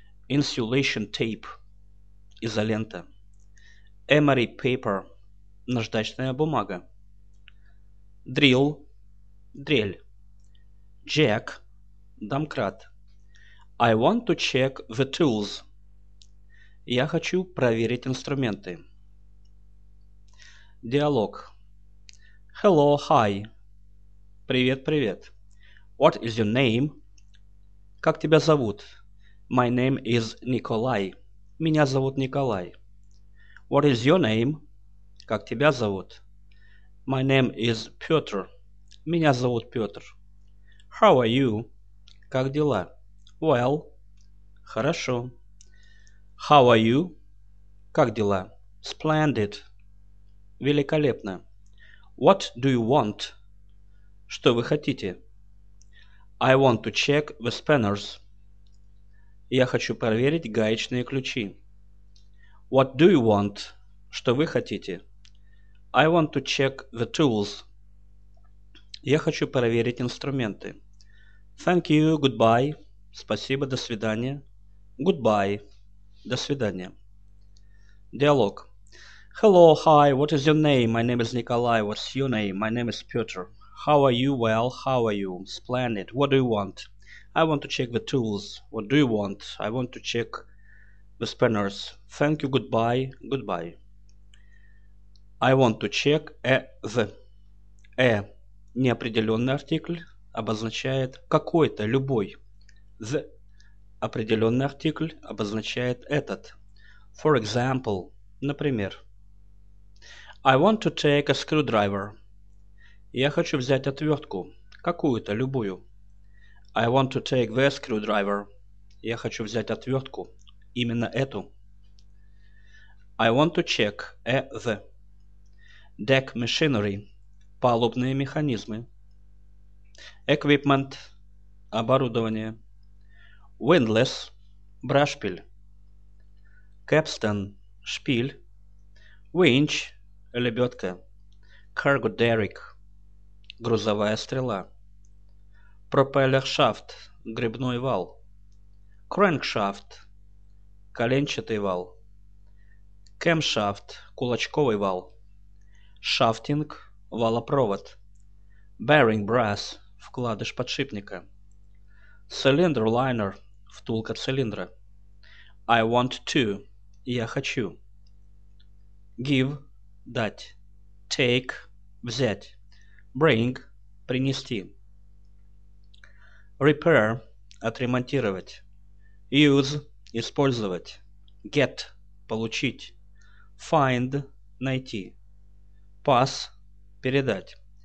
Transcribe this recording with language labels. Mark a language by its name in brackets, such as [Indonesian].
[English] Insulation tape – [Russian] изолента. [English] Emery paper – [Russian] наждачная бумага. [English] Drill – [Russian] дрель. [English] Jack – [Russian] домкрат. [English] I want to check the tools. [Russian] Я хочу проверить инструменты. Диалог. [English] Hello, hi. [Russian] Привет, привет. [English] What is your name? [Russian] Как тебя зовут? [English] My name is [Russian] Николай. Меня зовут Николай. [English] What is your name? [Russian] Как тебя зовут? [English] My name is Петр. [Russian] Меня зовут Петр. [English] How are you? [Russian] Как дела? [English] Well. [Russian] Хорошо. [English] How are you? [Russian] Как дела? [English] Splendid. [Russian] Великолепно. [English] What do you want? [Russian] Что вы хотите? [English] I want to check the spanners. [Russian] Я хочу проверить гаечные ключи. [English] What do you want? [Russian] Что вы хотите? [English] I want to check the tools. [Russian] Я хочу проверить инструменты. [English] Thank you. Goodbye. [Russian] Спасибо. До свидания. [English] Goodbye. [Russian] До свидания. Диалог. [English] Hello. Hi. What is your name? My name is Nikolai. What's your name? My name is Peter. How are you? Well, how are you? Splendid. What do you want? I want to check the tools. What do you want? I want to check the spanners. Thank you. Goodbye. Goodbye. I want to check the. [Russian] Неопределенный артикль обозначает какой-то, любой. [English] The. [Russian] Определенный артикль обозначает этот. [English] For example. [Russian] Например. [English] I want to take a screwdriver. [Russian] Я хочу взять отвертку. Какую-то, любую. [English] I want to take the screwdriver. [Russian] Я хочу взять отвертку. Именно эту. [English] I want to check the deck machinery. [Russian] Палубные механизмы. [English] Equipment. [Russian] Оборудование. [English] Windlass. [Russian] Брашпиль. [English] Capstan. [Russian] Шпиль. [English] Winch. [Russian] Лебедка. [English] Cargo derrick. [Russian] Грузовая стрела. Пропеллер-шафт – грибной вал. Крэнк-шафт – коленчатый вал. Кэм-шафт – кулачковый вал. Шафтинг – валопровод. Бэринг-брасс – вкладыш подшипника. Цилиндр-лайнер – втулка цилиндра. [English] I want to – [Russian] я хочу. [English] Give – [Russian] дать. [English] Take – [Russian] взять. [English] Bring – [Russian] принести. [English] Repair – [Russian] отремонтировать. [English] Use – [Russian] использовать. [English] Get – [Russian] получить. [English] Find – [Russian] найти. [English] Pass – [Russian] передать.